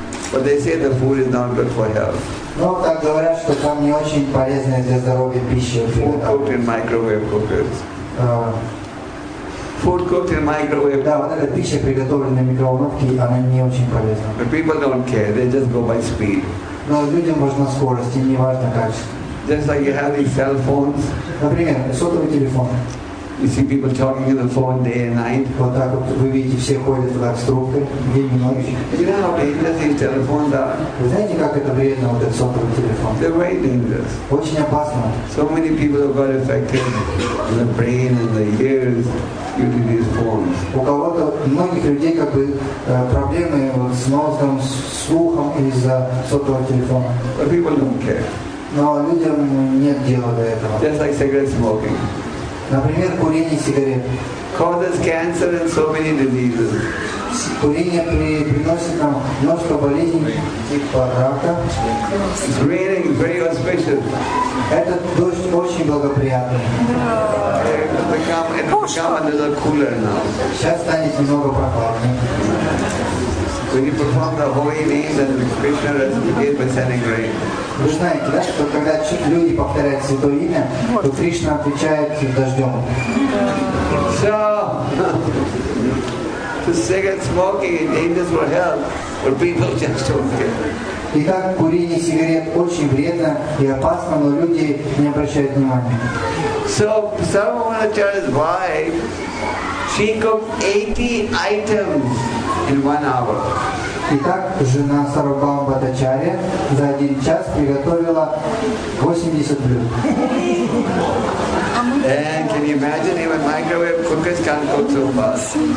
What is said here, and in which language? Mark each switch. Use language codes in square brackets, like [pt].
[en] But they say the food is not good for health. [ru] Ну, так говорят, что там не очень полезная для здоровья пища. [en] Food cooked in microwave cookers. Food cooked in microwave. [ru] Да, вот эта пища, приготовленная в микроволновке, она не очень полезна. [en] But people don't care, they just go by speed. [ru] Но людям важна скорость, им не важно качество. [en] Just like you have these cell phones. [ru] Например, сотовый телефон. [en] You see people talking on the phone day and night. [ru] Вот так вот вы видите, все ходят так с трубкой, день и ночь. [en] You know how dangerous these telephones are? [ru] Вы знаете, как это вредно, вот этот сотовый телефон? [en] They're very dangerous. [ru] Очень опасно. [en] So many people have got affected in the brain and the ears due to these phones. [ru] У кого-то, многих людей, как бы, проблемы с мозгом, с слухом из-за сотового телефона. [en] But people don't care. [ru] Но людям нет дела до этого. [en] Just like cigarette smoking. [ru] Например, курение сигарет. [en] Causes cancer and so many diseases. [ru] Курение приносит нам множество болезней, типа рака. [en] It's raining, very auspicious. [ru] Этот дождь очень благоприятный. [en] It will become a little cooler now. [ru] Сейчас станет немного прохладнее. [en] When you perform the holy names and Krishna recites by sending rain. [ru] Вы знаете, да, что когда люди повторяют святое имя, то Кришна отвечает дождем. [en] So, to cigarette smoking is dangerous for health, but people just don't care. [ru] Итак, курение сигарет очень вредно и опасно, но люди не обращают внимания. [en] So, Sarvamavacharya's wife, she cooked 80 items in 1 hour. [ru] Итак, жена Сарвабхама Бхаттачарья за один час приготовила 80 блюд. [en] And can you imagine even microwave cookers can't go through bus?